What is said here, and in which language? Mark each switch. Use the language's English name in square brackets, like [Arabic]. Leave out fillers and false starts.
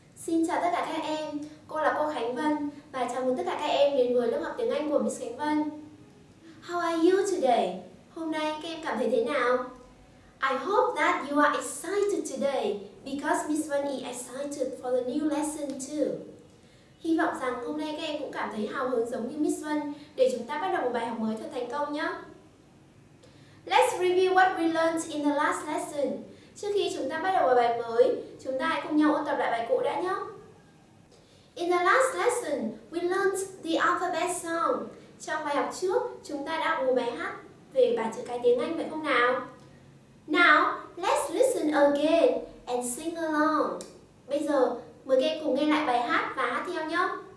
[Vietnamese] Xin chào tất cả các em, cô là cô Khánh Vân và chào mừng tất cả các em đến với lớp học tiếng Anh của Miss Khánh Vân. [English] How are you today? [Vietnamese] Hôm nay các em cảm thấy thế nào? [English] I hope that you are excited today because Miss Vân is excited for the new lesson too. [Vietnamese] Hy vọng rằng hôm nay các em cũng cảm thấy hào hứng giống như Miss Vân để chúng ta bắt đầu một bài học mới thật thành công nhé. [English] Let's review what we learned in the last lesson. [Vietnamese] Trước khi chúng ta bắt đầu bài mới, chúng ta hãy cùng nhau ôn tập lại bài cũ đã nhé. [English] In the last lesson, we learned the alphabet song. [Vietnamese] Trong bài học trước, chúng ta đã học một bài hát về bảng chữ cái tiếng Anh phải không nào? [English] Now, let's listen again and sing along. [Vietnamese] Bây giờ, mời các em cùng nghe lại bài hát và hát theo nhé.